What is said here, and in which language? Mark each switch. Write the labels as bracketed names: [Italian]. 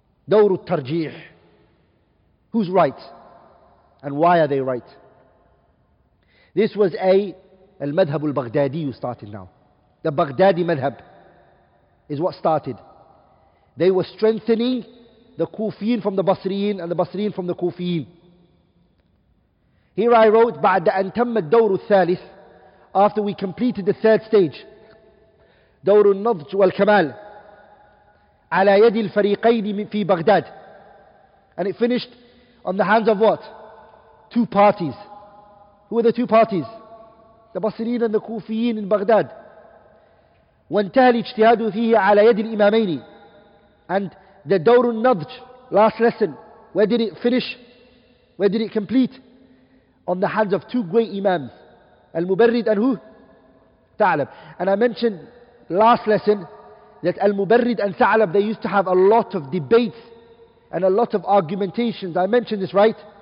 [Arabic] دَوْرُ التَّرْجِيحِ [English] Who's right? And why are they right? This was a al-madhab al-Baghdadi who started now. The Baghdadi madhab is what started. They were strengthening the Kufiyin from the Basriyin and the Basriyin from the Kufiyin. Here I wrote, [Arabic] بعد أن تم الدور الثالث, [English] after we completed the third stage, [Arabic] دور النضج والكمال على يد الفريقين في بغداد. [English] And it finished on the hands of what? Two parties. Who were the two parties? The Basriyin and the Kufiyin in Baghdad. [Arabic] وانتهى الاجتهاد فيه على يد الإمامين. [English] And the دور النضج, last lesson, where did it finish? Where did it complete? On the hands of two great imams, Al-Mubarrid and who? Ta'lab. And I mentioned last lesson that Al-Mubarrid and Ta'lab, they used to have a lot of debates and a lot of argumentations. I mentioned this, right?